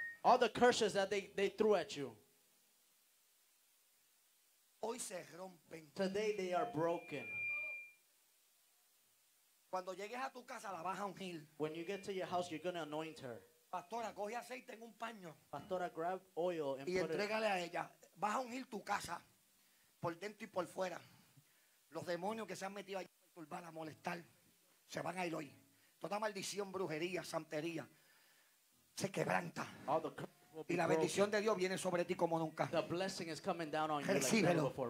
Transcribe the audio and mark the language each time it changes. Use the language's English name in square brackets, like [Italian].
[English] All the curses that they threw at you. [Spanish] Hoy se rompen. [English] Today they are broken. [Spanish] Cuando llegues a tu casa la vas a ungir. [English] When you get to your house you're going to anoint her. [Spanish] Pastora, coge aceite en un paño. [English] Pastora, grab oil and put it. [Spanish] Y entrégale a ella. Vas a ungir tu casa por dentro y por fuera. Los demonios que se han metido ahí a perturbar, a molestar, se van a ir hoy. Toda maldición, brujería, santería se quebranta. Y la bendición de Dios viene sobre ti como nunca. [English] The blessing is coming down on you like never before.